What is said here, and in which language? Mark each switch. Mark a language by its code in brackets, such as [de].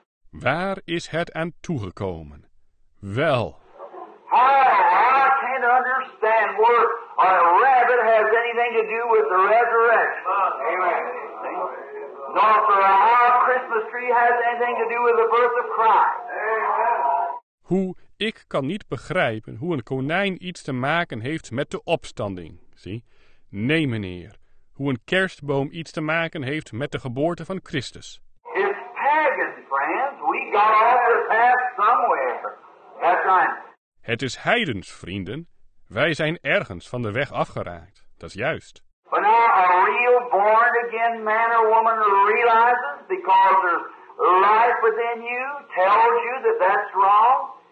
[nl] Waar is het aan toegekomen? Wel. [en] I can't understand what a rabbit has anything to do with the resurrection. Amen. Nor for a Christmas tree has anything to do with the birth of Christ. Amen. [nl] Hoe ik kan niet begrijpen hoe een konijn iets te maken heeft met de opstanding. Zie? Nee, meneer. Hoe een kerstboom iets te maken heeft met de geboorte van Christus. [en] It's pagans, friends. We got off the path somewhere. That's right. [nl] Het is heidens, vrienden. Wij zijn ergens van de weg afgeraakt. Dat is juist. [en] But now a real born-again man or woman realizes, because there's life within you, tells you that that's wrong.